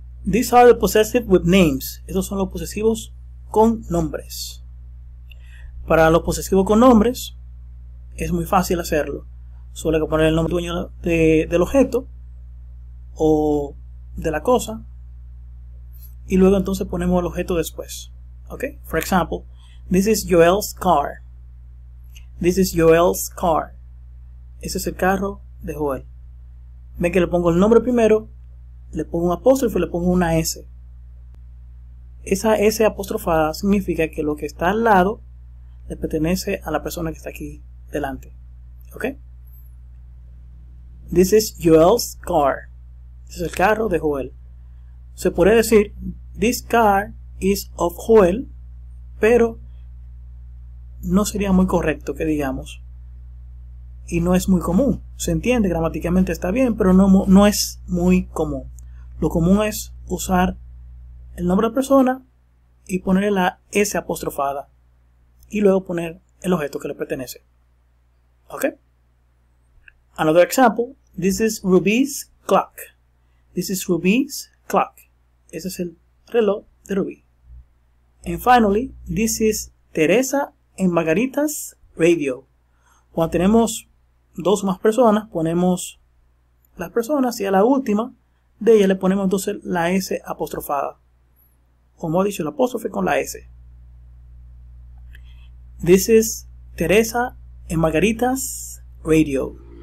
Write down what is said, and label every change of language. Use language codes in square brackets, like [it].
[en] These are the possessive with names. [es] Estos son los posesivos con nombres. Para los posesivos con nombres, es muy fácil hacerlo. Solo hay que poner el nombre dueño del objeto o de la cosa, y luego entonces ponemos el objeto después. [en] Okay? For example, this is Joel's car. This is Joel's car. [es] Ese es el carro de Joel. Ve que le pongo el nombre primero, le pongo un apóstrofe, le pongo una S. Esa S apostrofada significa que lo que está al lado le pertenece a la persona que está aquí delante. Okay? [en] This is Joel's car. [es] Es el carro de Joel. Se puede decir, [en] this car is of Joel, [es] pero no sería muy correcto que digamos. Y no es muy común. Se entiende, gramaticalmente está bien, pero no es muy común. Lo común es usar el nombre de la persona y ponerle la S apostrofada. Y luego poner el objeto que le pertenece. ¿Ok? [en] Another example, this is Ruby's clock. This is Ruby's clock. [es] Ese es el reloj de Ruby. [en] And finally, this is Teresa and Margarita's radio. [es] Cuando tenemos dos o más personas, ponemos las personas y a la última de ella le ponemos entonces la S apostrofada. Como ha dicho, el apóstrofe con la S. [en] This is Teresa and Margarita's radio.